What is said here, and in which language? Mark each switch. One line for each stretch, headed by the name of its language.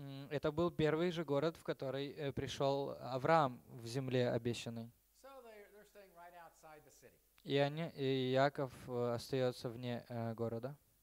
Russian: Это был первый же город, в который пришел Авраам в земле обещанной.
English: So they're staying right outside the city.
Russian: И они, и Яков остается вне города.